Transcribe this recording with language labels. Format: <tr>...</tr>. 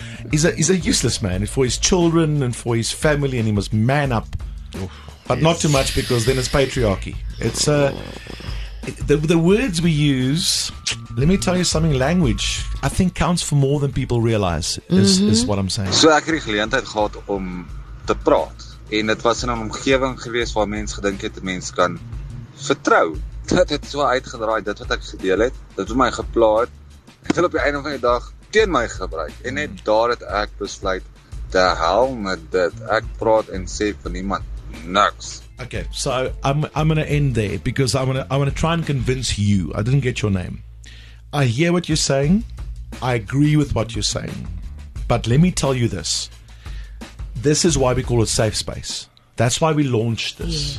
<en>he's a useless man for his children and for his family, and he must man up. Oof, but yes. Not too much, because then it's patriarchy. It's a... the words we use, let me tell you something, language, I think, counts for more than people realize, is what I'm saying.</en> <af>So ek het die geleentheid gehad om te praat. En dit was in 'n omgewing gewees waar mens gedink het mens kan vertrou. Dit het so uitgedraai, dit wat ek gedeel het, dit het my gepla het. Het hulle op die einde van die dag teen my gebruik. En net daar het ek besluit, te hel met dit. Ek praat en sê van niemand niks.</af> <en>Okay, so I'm going to end there because I'm gonna try and convince you. I didn't get your name. I hear what you're saying. I agree with what you're saying. But let me tell you this. This is why we call it safe space. That's why we launched this.</en>